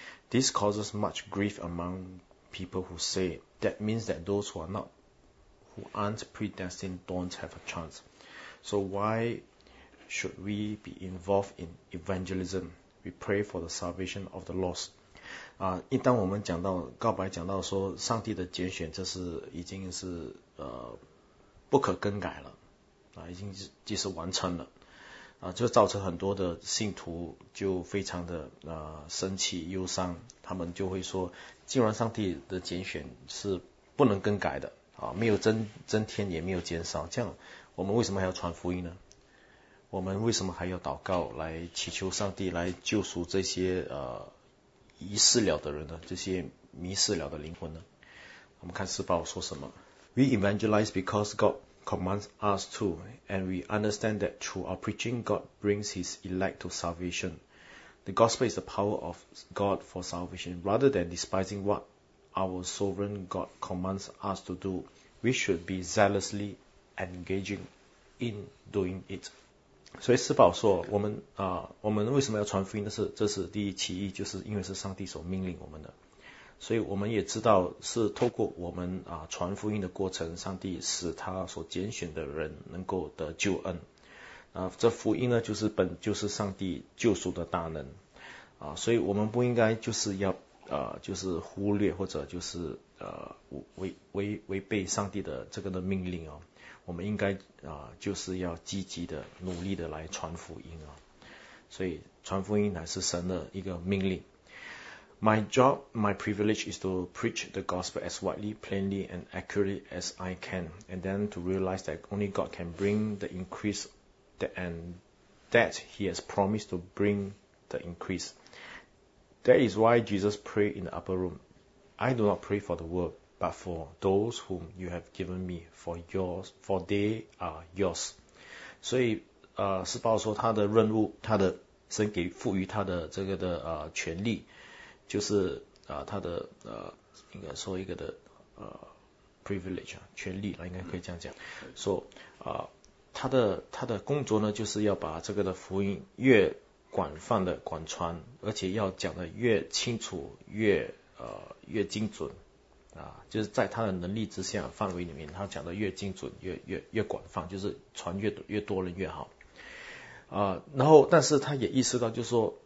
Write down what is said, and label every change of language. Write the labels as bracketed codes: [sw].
[en] This causes much grief among people who say that means that those who aren't predestined don't have a chance. So why should we be involved in evangelism? We pray for the salvation of the lost. [zh] 一旦我们讲到告白，讲到说上帝的拣选，这是已经是不可更改了，已经即使完成了。就造成很多的信徒就非常的生气忧伤，他们就会说，既然上帝的拣选是不能更改的没有增添也没有减少，这样我们为什么还要传福音呢？我们为什么还要祷告来祈求上帝来救赎这些遗失了的人呢？这些迷失了的灵魂呢？我们看四宝说什么？ [en] We evangelize because God commands us to, and we understand that through our preaching, God brings His elect to salvation. The gospel is the power of God for salvation. Rather than despising what our sovereign God commands us to do, we should be zealously engaging in doing it. [zh] 所以四宝说，我们为什么要传福音？这是第一其一，就是因为是上帝所命令我们的。所以我们也知道，是透过我们传福音的过程，上帝使他所拣选的人能够得救恩。这福音呢，就是上帝救赎的大能。所以我们不应该就是要就是忽略或者就是违背上帝的这个的命令我们应该就是要积极的努力的来传福音所以传福音乃是神的一个命令。 [en] My job, my privilege is to preach the gospel as widely, plainly, and accurately as I can, and then to realize that only God can bring the increase, and that He has promised to bring the increase. That is why Jesus prayed in the upper room. I do not pray for the world, but for those whom you have given me, for yours, for they are yours. [zh] 所以，是保罗说他的任务，他的神给赋予他的这个的权利。就是他的应该说一个的privilege 权利啦，应该可以这样讲，说他的工作呢，就是要把这个的福音越广泛的广传，而且要讲得越清楚，越精准就是在他的能力之下范围里面，他讲得越精准，越广泛，就是传越多人越好然后，但是他也意识到，就是说。